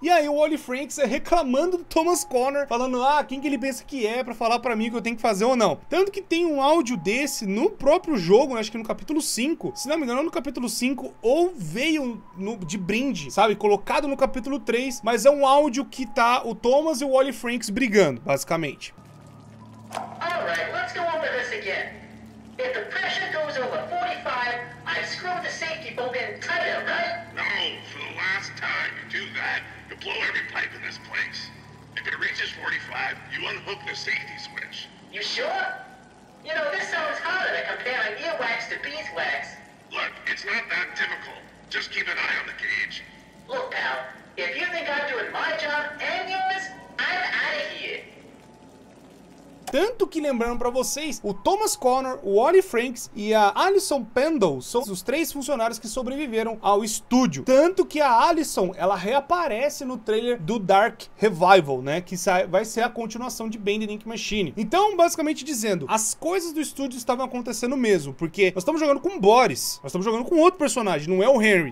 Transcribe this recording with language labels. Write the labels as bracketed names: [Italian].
[Portuguese] E aí o Wally Franks é reclamando do Thomas Connor, falando, ah, quem que ele pensa que é pra falar pra mim o que eu tenho que fazer ou não. Tanto que tem um áudio desse no próprio jogo, né, acho que no capítulo 5, se não me engano, no capítulo 5, ou veio no, de brinde, sabe, colocado no capítulo 3, mas é um áudio que tá o Thomas e o Wally Franks brigando, basicamente. [English] Alright, let's go over this again. If the pressure goes over 45, I screw the safety bolt in tighter, right? No, for the last time you do that, you blow every pipe in this place. If it reaches 45, you unhook the safety switch. You sure? You know, this sounds harder than comparing earwax to beeswax. Look, it's not that difficult. Just keep an eye on the gauge. Look, pal, if you think I'm doing my job and yours, I'm out of here. [Portuguese] Tanto que, lembrando pra vocês, o Thomas Connor, o Wally Franks e a Alison Pendle são os três funcionários que sobreviveram ao estúdio. Tanto que a Alison, ela reaparece no trailer do Dark Revival, né? Que vai ser a continuação de Bendy and Ink Machine. Então, basicamente dizendo, as coisas do estúdio estavam acontecendo mesmo, porque nós estamos jogando com Boris, nós estamos jogando com outro personagem, não é o Henry.